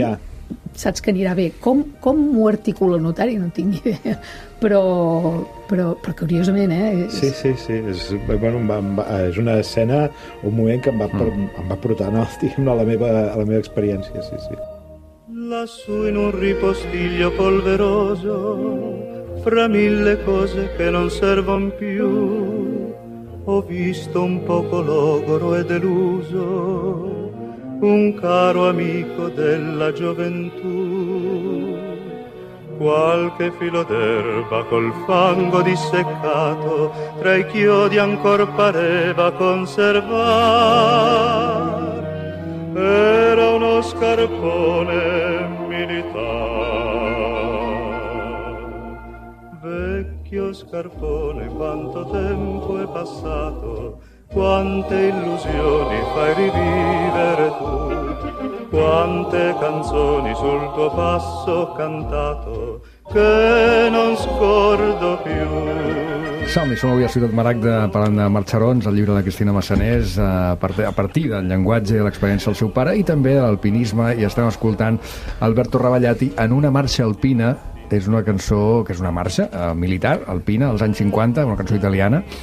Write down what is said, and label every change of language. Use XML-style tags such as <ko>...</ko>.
<ca>ja saps que anirà bé. Com ho articula el notari? No tinc ni idea. Però curiosament, Sí, sí, sí. És una escena, un moment que em va portar, no? a la meva experiència, sí, sí.</ca> <it>Lassù in un ripostiglio polveroso fra mille cose che non servon più. Ho visto un poco logoro e deluso un caro amico della gioventù. Qualche filo d'erba col fango disseccato tra i chiodi ancor pareva conservar. Era uno scarpone militare. Vecchio scarpone, quanto tempo è passato, quante illusioni fai rivivere tu, quante canzoni sul tuo passo ho cantato, che non scordo più.</it> <ca>Som-hi, som avui a Ciutat Maragda parlant de Marxarons, el llibre de Cristina Massanés, a partir del llenguatge i l'experiència del seu pare, i també de l'alpinisme, i estem escoltant Alberto Ravallati en una marxa alpina és una cançó que és una marxa militar, alpina, als anys 50, una cançó italiana.</ca>